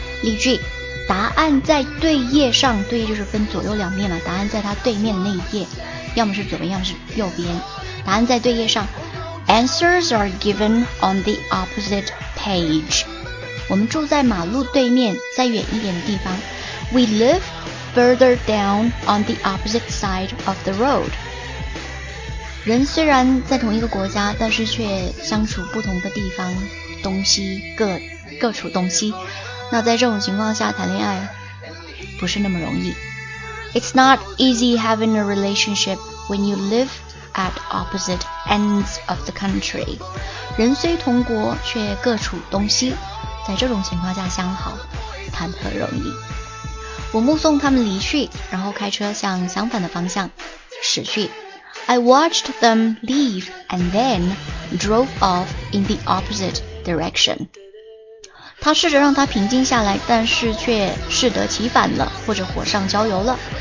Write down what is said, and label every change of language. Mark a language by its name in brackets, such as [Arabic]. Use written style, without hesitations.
[Chinese] 例句，答案在对页上，对页就是分左右两面嘛，答案在它对面的那一页，要么是左边，要么是右边。答案在对页上。 [English] Answers are given on the opposite page. [Chinese] 我们住在马路对面，在远一点的地方。 [English] We live further down on the opposite side of the road. [Chinese] 人虽然在同一个国家，但是却相处不同的地方，东西各处东西。那在这种情况下谈恋爱不是那么容易。 [English] It's not easy having a relationship when you live at opposite ends of the country. [Chinese] 人虽同国却各处东西，在这种情况下相好谈何容易。我目送他们离去，然后开车向相反的方向驶去。 [English] I watched them leave and then drove off in the opposite direction. [Chinese] 他试着让他平静下来，但是却适得其反了，或者火上浇油了。